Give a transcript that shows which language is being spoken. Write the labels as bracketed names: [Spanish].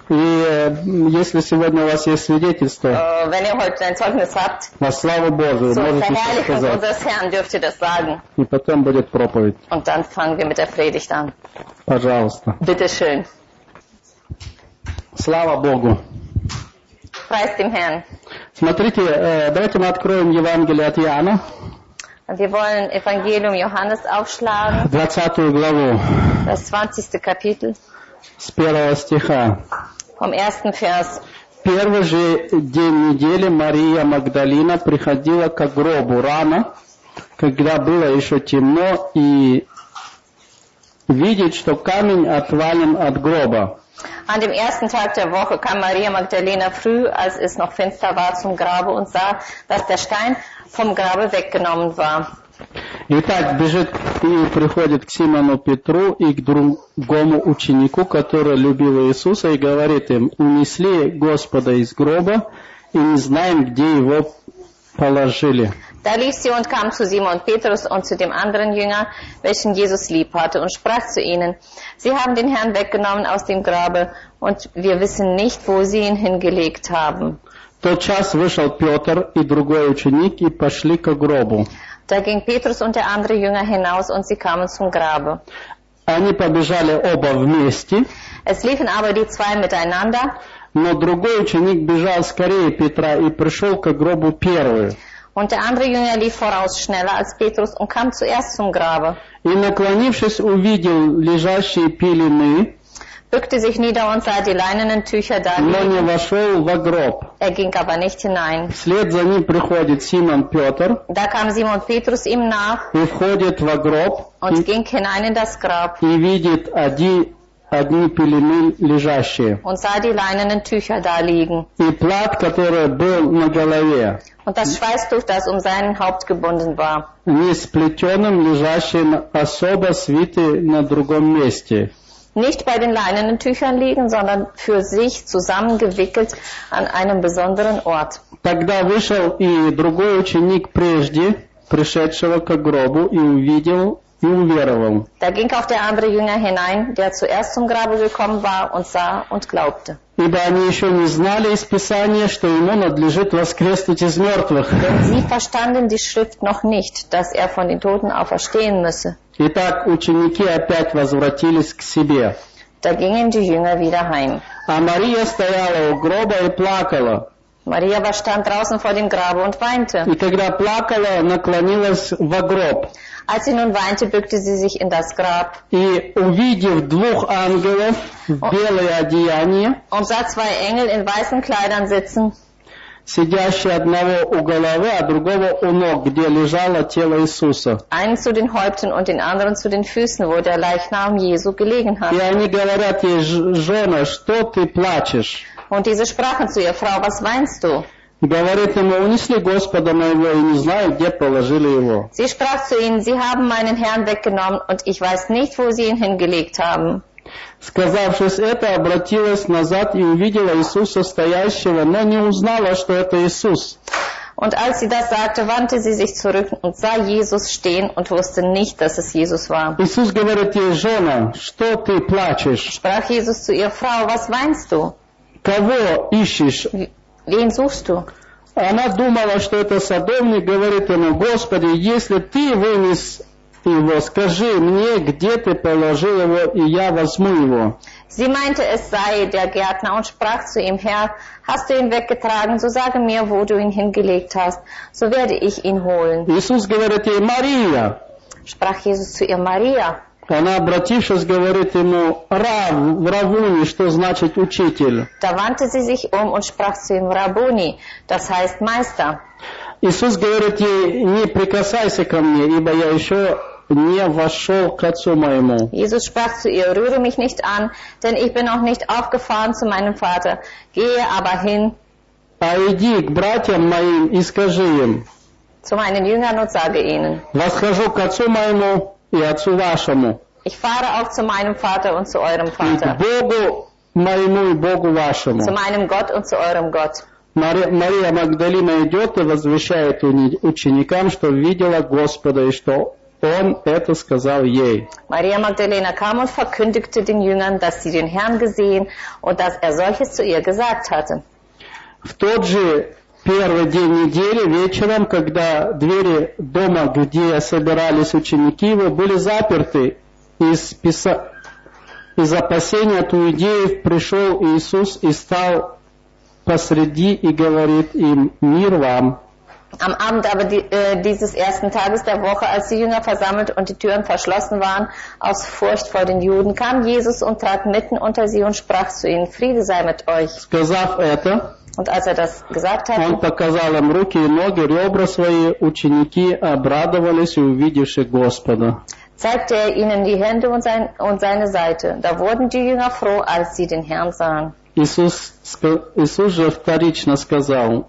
[Russian] И если сегодня у вас есть свидетельство, [German] wenn ihr heute ein Zeugnis habt, [Russian] на славу Божию, [German] so [Russian] можете это сказать. [German] Unseres Herrn dürft ihr das sagen. [Russian] И потом будет проповедь. [German] Und dann fangen wir mit der Predigt an. [Russian] Пожалуйста. [German] Bitte schön. [Russian] Слава Богу. [German] Preist dem Herrn. [Russian] Смотрите, давайте мы откроем Евангелие от Иоанна. [German] Wir wollen Evangelium Johannes aufschlagen. [Russian] 20 главу. [German] Das 20. Kapitel. [Russian] С 1 стиха. [German] Vom 1. Vers. [Russian] Первый же день недели Мария Магдалина приходила к гробу рано, когда было еще темно, и видит, что камень отвален от гроба. [German] An dem ersten Tag der Woche kam Maria Magdalena früh, als es noch finster war, zum Grabe und sah, dass der Stein vom Grabe weggenommen war. [Russian] Итак, бежит и приходит к Симону Петру и к другому ученику, который любил Иисуса, и говорит им: «Унесли Господа из гроба, и не знаем, где его положили». [German] Da lief sie und kam zu Simon Petrus und zu dem anderen Jünger, welchen Jesus lieb hatte, und sprach zu ihnen: Sie haben den Herrn weggenommen aus dem Grabe, und wir wissen nicht, wo sie ihn hingelegt haben. [Russian] Тотчас вышел Петр и другой ученик и пошли ко гробу. [German] Da ging Petrus und der andere Jünger hinaus, und sie kamen zum Grabe. [Russian] Они побежали оба вместе. [German] Es liefen aber die zwei miteinander. [Russian] Но другой ученик бежал скорее Петра и пришел ко гробу первый. [German] Und der andere Jünger lief voraus schneller als Petrus und kam zuerst zum Grabe. [Russian] И наклонившись, увидел лежащие пелены. [German] Bückte sich nieder und sah die leinenen Tücher da liegen. [Russian] Но не вошел во гроб. [German] Er ging aber nicht hinein. [Russian] Вслед за ним приходит Симон Петр. [German] Da kam Simon Petrus ihm nach. [Russian] И входит во гроб. [German] Und ging hinein in das Grab. [Russian] И видит одни пелены лежащие. [German] Und sah die leinenen Tücher da liegen. [Russian] И плат, который был на голове. [German] Und das Schweißtuch, das sein Haupt gebunden war. [Russian] Не сплетенным, лежащим особо свитый на другом месте. [German] Nicht bei den leinenen Tüchern liegen, sondern für sich zusammengewickelt an einem besonderen Ort. [Russian] Тогда вышел и другой ученик прежде, пришедшего к гробу, и увидел и уверовал. [German] Da ging auch der andere Jünger hinein, der zuerst zum Grabe gekommen war und sah und glaubte. [Russian] Ибо они еще не знали из Писания, что ему надлежит воскреснуть из мертвых. [German] Denn sie verstanden die Schrift noch nicht, dass er von den Toten auferstehen müsse. [Russian] Итак, ученики опять возвратились к себе. [German] Da gingen die Jünger wieder heim. [Russian] А Мария стояла у гроба и плакала. [German] Maria war stand draußen vor dem Grabe und weinte. [Russian] И когда плакала, наклонилась во гроб. [German] Als sie nun weinte, bückte sie sich in das Grab. [Russian] И увидев двух ангелов в белые одеяния, [German] und sah zwei Engel in weißen Kleidern sitzen, [Russian] сидящие одного у головы, а другого у ног, где лежало тело Иисуса. [German] Einen zu den Häupten und den anderen zu den Füßen, wo der Leichnam Jesu gelegen hat. [Russian] И они говорят ей: «Жена, что ты плачешь?» [German] Und diese sprachen zu ihr: Frau, was weinst du? [Russian] Говорит ему: «Унесли Господа моего, и не знаю, где положили его». [German] Sie sprach zu ihnen: Sie haben meinen Herrn weggenommen, und ich weiß nicht, wo sie ihn hingelegt haben. [Russian] Сказавшись это, обратилась назад и увидела Иисуса стоящего, но не узнала, что это Иисус. [German] Und als sie das sagte, wandte sie sich zurück und sah Jesus stehen und wusste nicht, dass es Jesus war. [Russian] Иисус говорит ей: «Жена, что ты плачешь?» [German] Sprach Jesus zu ihr: Frau, was weinst du? [Russian] Кого ищешь? [German] Wen suchst du? [Russian] Она думала, что это садовник, говорит ему: «Господи, если ты вынес его, скажи мне, где ты положил его, и я возьму его». [German] Sie meinte, es sei der Gärtner und sprach zu ihm: Herr, hast du ihn weggetragen, so sage mir, wo du ihn hingelegt hast, so werde ich ihn holen. [Russian] Jesus говорит ей: Maria. [German] Sprach Jesus zu ihr: Maria. [Russian] Она обратившись, говорит ему: Рав, Равуни, что значит учитель. [German] Da wandte sie sich um und sprach zu ihm: Rabuni, das heißt Meister. [Russian] Иисус говорит ей: не прикасайся ко мне, ибо я еще не вошел к отцу моему. [German] Jesus sprach zu ihr: rühre mich nicht an, denn ich bin noch nicht aufgefahren zu meinem Vater. Gehe aber hin. [Russian] Пойди к братьям моим и скажи им. [German] Zu meinen Jüngern und sage ihnen. [Russian] Восхожу к отцу моему и отцу вашему. [German] Ich fahre auch zu meinem Vater und zu eurem Vater. [Russian] И к Богу моему и Богу вашему. [German] Zu meinem Gott und zu eurem Gott. [Russian] Мария Магдалина идет и возвещает ученикам, что видела Господа и что Он это сказал ей. [German] Maria Magdalena kam und verkündigte den Jüngern, dass sie den Herrn gesehen und dass er solches zu ihr gesagt hatte. [Russian] В тот же первый день недели вечером, когда двери дома, где собирались ученики его, были заперты, из опасения от иудеев пришел Иисус и стал посреди и говорит им: «Мир вам». [German] Am Abend aber dieses ersten Tages der Woche, als die Jünger versammelt und die Türen verschlossen waren, aus Furcht vor den Juden, kam Jesus und trat mitten unter sie und sprach zu ihnen: Friede sei mit euch. [Russian] Это, [German] und als er das gesagt hatte, [Russian] он показал им руки и ноги, ребра свои, ученики обрадовались, увидевши Господа. [German] Zeigte er ihnen die Hände und seine Seite. Da wurden die Jünger froh, als sie den Herrn sahen. [Russian] Иисус же вторично сказал: